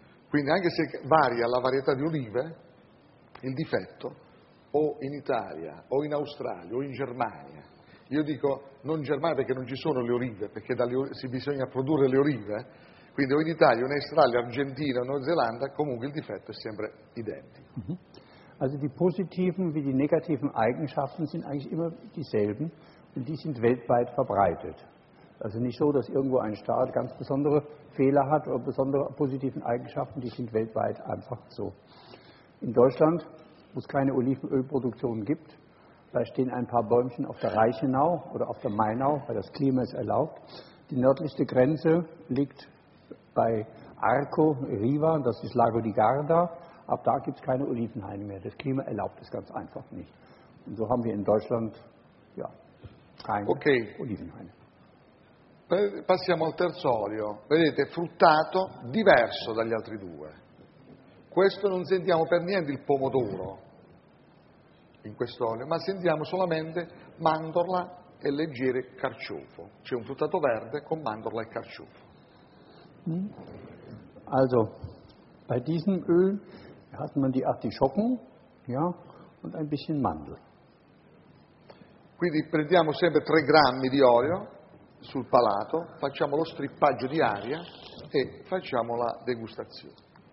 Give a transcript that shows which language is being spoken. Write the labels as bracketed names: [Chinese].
[Italian] Quindi anche se varia la varietà di olive, il difetto, o in Italia, o in Australia, o in Germania, io dico non Germania perché non ci sono le olive, perché si bisogna produrre le olive, quindi o in Italia, o in Australia, Argentina, o Nuova Zelanda, comunque il difetto è sempre identico. [German] Also die positiven wie die negativen Eigenschaften sind eigentlich immer dieselben und die sind weltweit verbreitet. Also nicht so, dass irgendwo ein Staat ganz besondere Fehler hat oder besondere positiven Eigenschaften, die sind weltweit einfach so. In Deutschland, wo es keine Olivenölproduktion gibt, da stehen ein paar Bäumchen auf der Reichenau oder auf der Mainau, weil das Klima es erlaubt. Die nördlichste Grenze liegt bei Arco, Riva, das ist Lago di Garda. Ab da gibt es keine Olivenhaine mehr. Das Klima erlaubt es ganz einfach nicht. Und so haben wir in Deutschland ja, keine okay. Olivenhaine. [Italian] Passiamo al terzo olio, vedete, fruttato diverso dagli altri due. questo non sentiamo per niente il pomodoro in questo olio, ma sentiamo solamente mandorla e leggere carciofo. C'è un fruttato verde con mandorla e carciofo. [German] Also, bei diesem Öl hat man die Artischocken, ja, und ein bisschen Mandel. [Italian] Quindi prendiamo sempre 3 grammi di olio sul palato, facciamo lo strippaggio di aria e facciamo la degustazione.